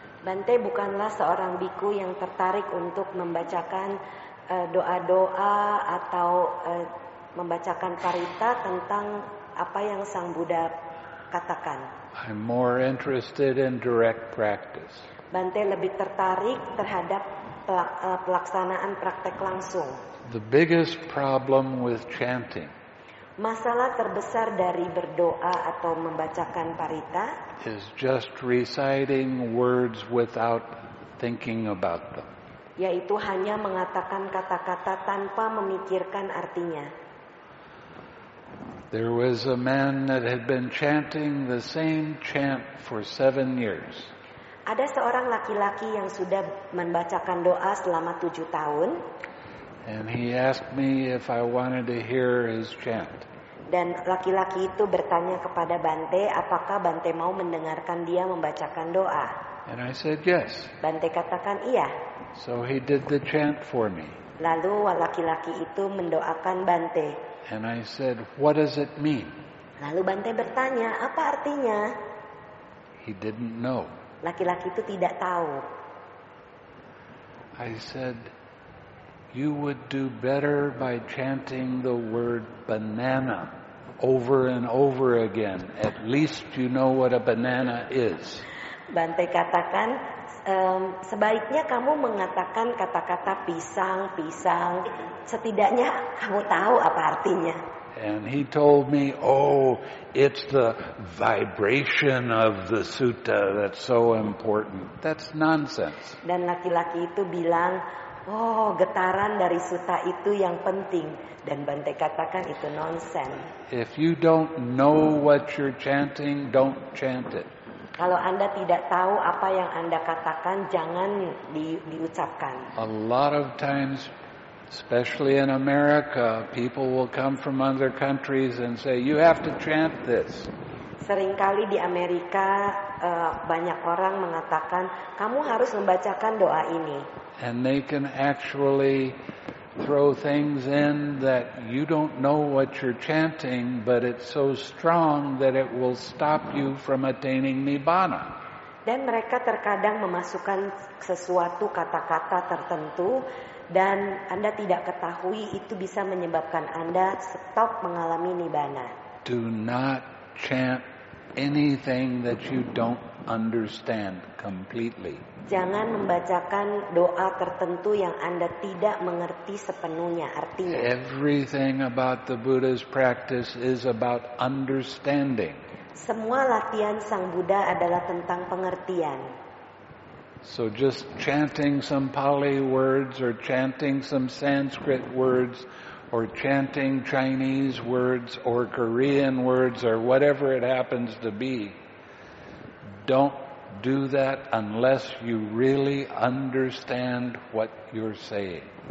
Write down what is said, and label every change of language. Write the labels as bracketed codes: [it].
[id] Bante bukanlah seorang biku yang tertarik untuk membacakan doa-doa atau membacakan carita tentang apa yang Sang Buddha katakan. [en] I'm more interested in direct practice. [id] Bante lebih tertarik terhadap pelaksanaan praktek langsung. [en] The biggest problem with chanting. [id] Masalah terbesar dari berdoa atau membacakan parita [en] is just reciting words without thinking about them. [id] Yaitu hanya mengatakan kata-kata tanpa memikirkan artinya. [en] There was a man that had been chanting the same chant for 7 years. [id] Ada seorang laki-laki yang sudah membacakan doa selama 7 tahun. [en] And he asked me if I wanted to hear his chant. [id] Dan laki-laki itu bertanya kepada Bante, apakah Bante mau mendengarkan dia membacakan doa? [en] And I said yes. [id] Bante katakan iya. [en] So he did the chant for me. [id] Lalu laki-laki itu mendoakan Bante. [en] And I said, what does it mean? [id] Lalu Bante bertanya, apa artinya? [en] He didn't know. [id] Laki-laki itu tidak tahu. [en] I said, you would do better by chanting the word banana over and over again. At least you know what a banana is. [id] Bante katakan, sebaiknya kamu mengatakan kata-kata pisang, pisang. Setidaknya kamu tahu apa artinya. [en] And he told me, oh, it's the vibration of the sutta that's so important. That's nonsense. [id] Dan laki-laki itu bilang, oh, getaran dari sutta itu yang penting. Dan Bante katakan itu nonsense. [en] If you don't know what you're chanting, don't chant it. [id] Kalau Anda tidak tahu apa yang Anda katakan, jangan diucapkan. [en] A lot of times, especially in America, people will come from other countries and say, you have to chant this. [id] Seringkali di Amerika, banyak orang mengatakan, kamu harus membacakan doa ini. [en] And they can actually throw things in that you don't know what you're chanting, but it's so strong that it will stop you from attaining nibbana. [id] Dan mereka terkadang memasukkan sesuatu kata-kata tertentu dan Anda tidak ketahui itu bisa menyebabkan Anda stop mengalami nibbana. [en] Do not chant anything that you don't understand completely. [id] Jangan membacakan doa tertentu yang Anda tidak mengerti sepenuhnya artinya. [en] Everything about the Buddha's practice is about understanding. [id] Semua latihan Sang Buddha adalah tentang pengertian. [en] So just chanting some Pali words or chanting some Sanskrit words or chanting Chinese words or Korean words or whatever it happens to be. Don't do that unless you really understand what you're saying.